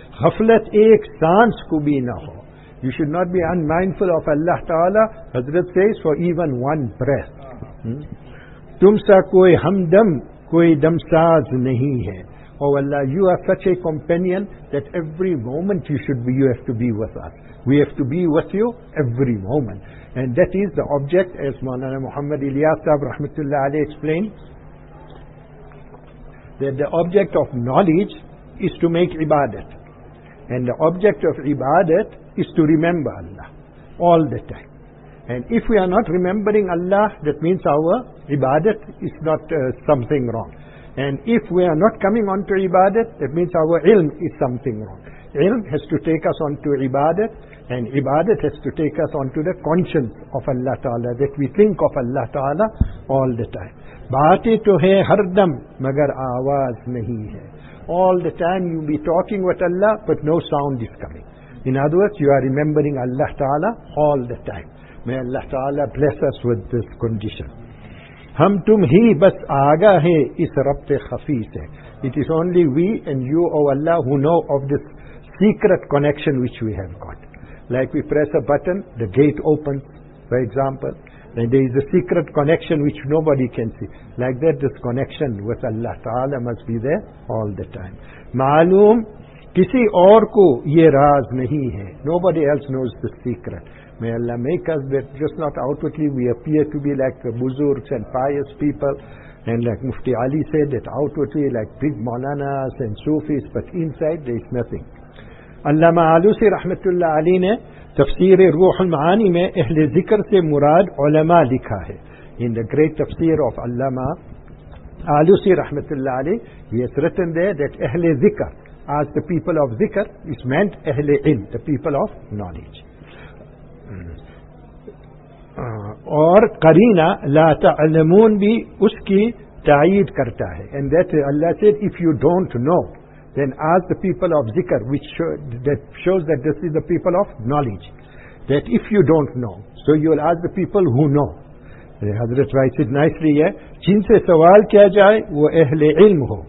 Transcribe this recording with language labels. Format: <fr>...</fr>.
<ur>غفلت ایک سانس کو بھی نہ ہو.</ur> <en>You should not be unmindful of Allah تعالیٰ, حضرت says, for even one breath.</en> <ur>تم سا کوئی ہمدم کوئی دمساز نہیں ہے.</ur> <en>Oh Allah, you are such a companion that every moment you have to be with us. We have to be with you every moment. And that is the object, as Maulana Muhammad Ilyas Sahib Rahmatullah Ali explained, that the object of knowledge is to make ibadat. And the object of ibadat is to remember Allah all the time. And if we are not remembering Allah, that means our ibadat is not something wrong. And if we are not coming on to ibadat, that means our ilm is something wrong. Ilm has to take us on to ibadat, and ibadat has to take us on to the conscience of Allah Ta'ala, that we think of Allah Ta'ala all the time.</en> <ur>Baate to hai har dam, magar awaz nahi hai.</ur> <en>All the time you'll be talking with Allah, but no sound is coming. In other words, you are remembering Allah Ta'ala all the time. May Allah Ta'ala bless us with this condition.</en> <ur>ہم تم ہی بس آگاہ ہیں اس ربط خفی سے.</ur> <en>It is only we and you, O Allah, who know of this secret connection which we have got. Like we press a button, the gate opens, for example. And there is a secret connection which nobody can see. Like that, this connection with Allah Ta'ala must be there all the time.</en> <ur>Ma'alum, kisi aur ko ye raaz nahi hai.</ur> <en>Nobody else knows the secret. May Allah make us that just not outwardly we appear to be like the buzurgs and pious people. And like Mufti Ali said, that outwardly like big maulanas and sufis, but inside there is nothing.</en> <ur>Allama Alusi Rahmatullah Ali ne تفسیر روح المعانی میں اہل ذکر سے مراد علماء لکھا ہے.</ur> <en>In the great تفسیر of علماء Alusi رحمت اللہ علی, he has written there that اہل ذکر, as the people of ذکر, is meant اہل علم, the people of knowledge.</en> <ur>اور قرینہ لا تعلمون بھی اس کی تائید کرتا ہے.</ur> <en>And that Allah said, if you don't know, then ask the people of zikr, which shows that this is the people of knowledge. That if you don't know, so you will ask the people who know. The Hazrat writes it nicely here,</en> <ur>jin se sawal kiya jaye wo ahle ilm ho.</ur>